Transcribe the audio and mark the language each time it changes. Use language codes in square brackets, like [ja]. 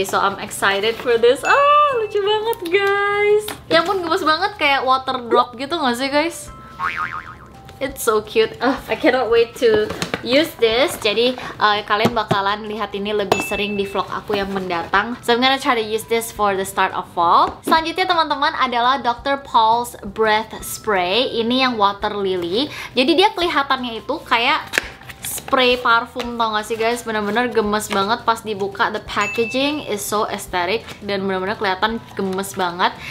[en] So I'm excited for this. [id] Ah, lucu banget guys. Ya ampun, gemes banget kayak water drop gitu nggak sih guys? [en] It's so cute. I cannot wait to use this. [id] Jadi kalian bakalan lihat ini lebih sering di vlog aku yang mendatang. [en] So I'm gonna try to use this for the start of fall. [id] Selanjutnya teman-teman adalah Dr. Paul's Breath Spray. Ini yang water lily. Jadi dia kelihatannya itu kayak spray parfum tau gak sih guys? Bener-bener gemes banget pas dibuka. [en] The packaging is so aesthetic [id] dan bener-bener kelihatan gemes banget.